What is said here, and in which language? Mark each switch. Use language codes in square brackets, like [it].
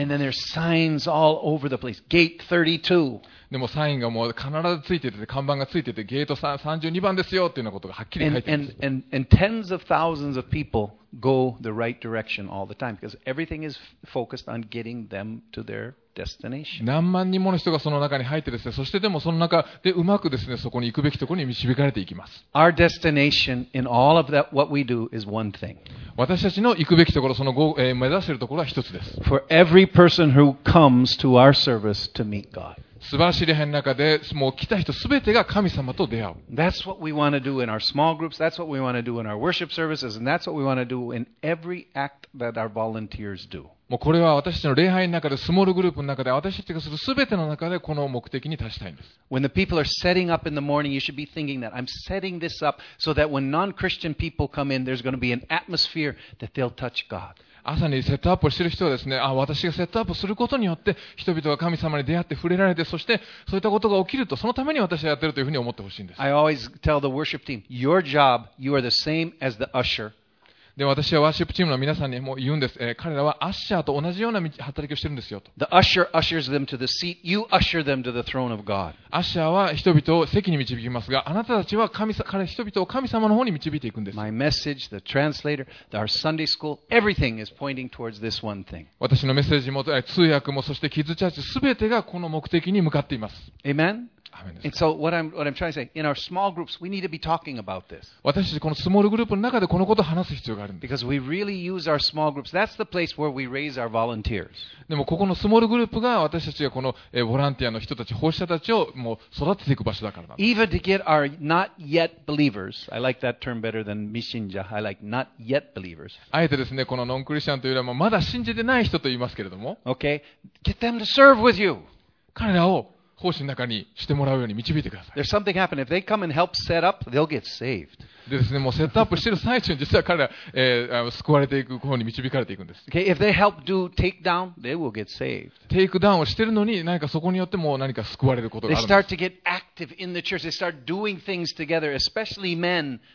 [en] And then there's signs all over the place. Gate 32. [ja] でもサインがもう必ずついてて、看板がついてて、ゲート32番ですよっていうようなことがはっきり書いてます。 [en] And tens of thousands of peopleGo the right direction all the time because everything is focused on getting them to their destination. [ja] 何万人もの人がその中に入ってですね、そしてでもその中でうまくですね、そこに行くべきところに導かれていきます。 [en] Our destination in all of that what we do is one thing. [ja] 私たちの行くべきところ、その目指せるところは一つです。 [en] For every person who comes to our service to meet God. [ja] 素晴らしい礼拝の中でもう来た人すべてが神様と出会う。 [en] That's what we want to do in our small groups. That's what we want to do in our worship services. And that's what we want to do in every act that our volunteers do. [ja] もうこれは私たちの礼拝の中で、スモールグループの中で、私たちがするすべての中でこの目的に達したいんです。 [en] When the people are setting up in the morning, you should be thinking that I'm setting this up so that when non-Christian people come in, there's going to be an atmosphere that they'll touch God. [ja] 朝にセットアップをしている人はですね、私がセットアップすることによって人々が神様に出会って触れられて、そしてそういったことが起きると、そのために私はやっているというふうに思ってほしいんです。 [en] I always tell the worship team, your job, you are the same as the usher. [ja] で、私はワーシップチームの皆さんにも言うんです、彼らはアッシャーと同じような働きをしているんですよと。 [en] The usher ushers them to the seat, you usher them to the throne of God. [ja] アッシャーは人々を席に導きますが、あなたたちは人々を神様の方に導いていくんです。 [en] My message, the translator, our Sunday school, everything is pointing towards this one thing. [ja] 私のメッセージも通訳もそしてキッズチャーチ、すべてがこの目的に向かっています。 [en] Amen? [ja] 私たちこのスモールグループの中でこのことを話す必要があるんです [en] 。 Because we really use our small groups. That's the place where we raise our volunteers. [ja] でもここのスモールグループが私たちがこのボランティアの人たち、奉仕者たちをもう育てていく場所だからなんです。 [en] Even to get our not yet believers. I like that term better than missionja. I like not yet believers. [ja] あえてですね、このノンクリスチャンというよりはまだ信じてない人と言いますけれども。 [en] Okay. Get them to serve with you. [ja] 彼らを奉仕の中にしてもらうように導いてください。 [en] There's something happened. If they come and help set up, they'll get saved. [ja] でですね、もうセットアップしている最中に実は彼ら、救われていく方に導かれていくんです。 [en] Okay, if they help do take down, they will get saved. [ja] テイクダウンをしているのに、何かそこによっても何か救われることがあるんです。 [en] They start to get active in the church. They start doing things together, especially men.